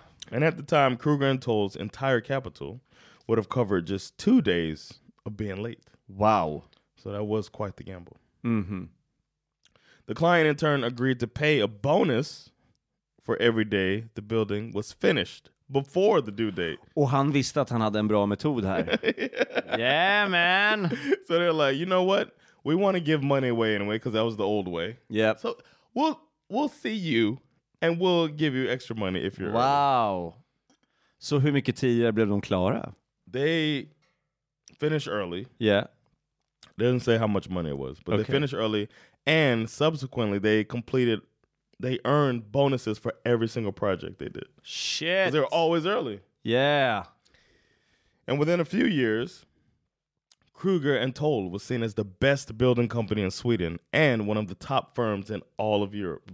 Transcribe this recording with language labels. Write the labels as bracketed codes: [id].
[en] And at the time, Kruger and Toll's entire capital would have covered just 2 days of being late. Wow. So that was quite the gamble. Mm-hmm. The client, in turn, agreed to pay a bonus for every day the building was finished before the due date. [sv] Och han visste att han hade en bra metod här. [en] Yeah, man. So they're like, you know what? We want to give money away anyway, because that was the old way. Yeah. So we'll see you, and we'll give you extra money if you're... Wow. Early. [sv] Så hur mycket tidigare blev de klara? [en] They finished early. Yeah. They didn't say how much money it was, but okay. They finished early, and subsequently they completed... They earned bonuses for every single project they did. Shit. Because they were always early. Yeah. And within a few years, Kruger and Toll was seen as the best building company in Sweden and one of the top firms in all of Europe.